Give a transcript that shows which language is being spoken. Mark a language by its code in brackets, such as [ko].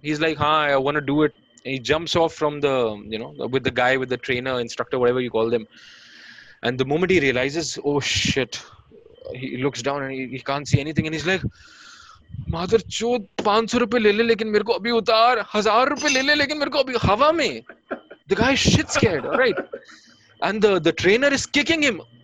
[en] He's like, "Haan, I want to do it." And he jumps off from the, you know, with the guy, with the trainer, instructor, whatever you call them. And the moment he realizes, oh shit, he looks down and he can't see anything. And he's like, [hi] मादर चोद 500 रुपए ले ले लेकिन मेरे को अभी उतार, 1000 रुपए ले ले लेकिन मेरे को अभी हवा में. [en] The guy is shit scared, right? And the trainer is kicking him.